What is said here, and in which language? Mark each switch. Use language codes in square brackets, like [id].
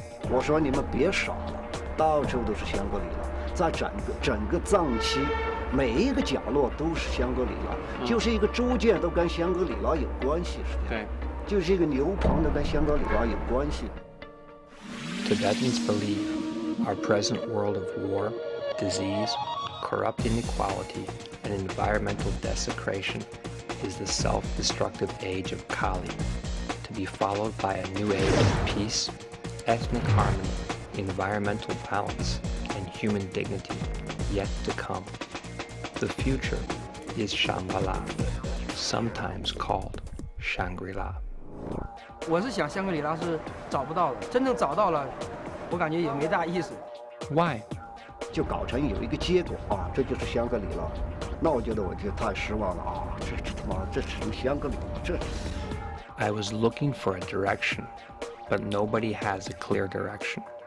[zh] 我说你们别傻了，到处都是香格里拉，在整个藏区每一个角落都是香格里拉，就是一个猪圈都跟香格里拉有关系，是吧？对，就是一个牛棚都跟香格里拉有关系。 [en] Tibetans believe our present world of war, disease, corrupt inequality. And environmental desecration is the self-destructive age of Kali, to be followed by a new age of peace, ethnic harmony, environmental balance, and human dignity yet to come. The future is Shambhala, sometimes called Shangri-la. [zh] 我是想香格里拉是找不到了，真正找到了，我感觉也没大意思。 [en] Why? [zh] 就搞成有一个结果啊，这就是香格里拉。那我觉得我就太失望了啊！这他妈，这是什么香格里拉？这 [en] ……I was looking for a direction, but nobody has a clear direction.